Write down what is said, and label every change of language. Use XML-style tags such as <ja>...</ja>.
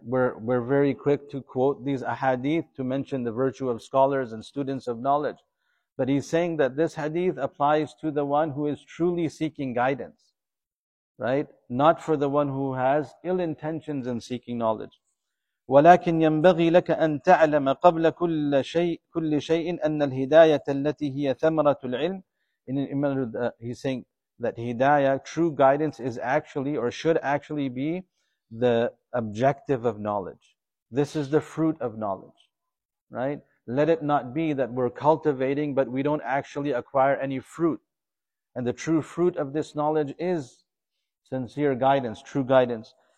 <en>We're very quick to quote these ahadith to mention the virtue of scholars and students of knowledge. But he's saying that this hadith applies to the one who is truly seeking guidance. Right? Not for the one who has ill intentions in seeking knowledge.</en> <ar>وَلَكِنْ يَنْبَغِي لَكَ أَن تَعْلَمَ قَبْلَ كُلِّ شَيْءٍ أَنَّ الْهِدَايَةَ الَّتِي هِيَ ثَمَرَةُ الْعِلْمِ.</ar> <en>In an image, he's saying that hidayah, true guidance, is actually or should actually be the objective of knowledge. This is the fruit of knowledge, right? Let it not be that we're cultivating, but we don't actually acquire any fruit. And the true fruit of this knowledge is sincere guidance, true guidance.</en>